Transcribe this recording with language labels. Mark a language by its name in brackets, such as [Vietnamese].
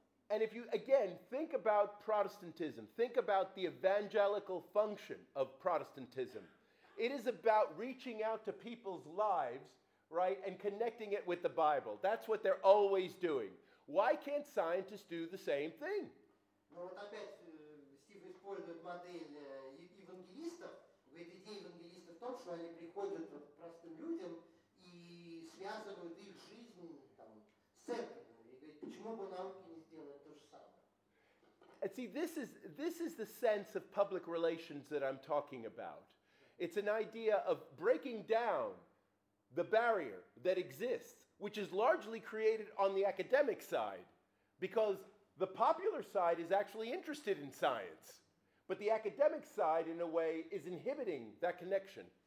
[English] And if you, again, think about Protestantism, think about the evangelical function of Protestantism. It is about reaching out to people's lives, right, and connecting it with the Bible. That's what they're always doing. Why can't scientists do the same thing? [Russian] Ну вот опять Стив использует модель евангелистов. Идея евангелистов в том, что они приходят простым людям и связывают их жизнь там с церковью. И говорит, почему бы науке не сделать то же самое? [English] And see, this is the sense of public relations that I'm talking about. It's an idea of breaking down the barrier that exists, which is largely created on the academic side, because the popular side is actually interested in science, but the academic side, in a way, is inhibiting that connection.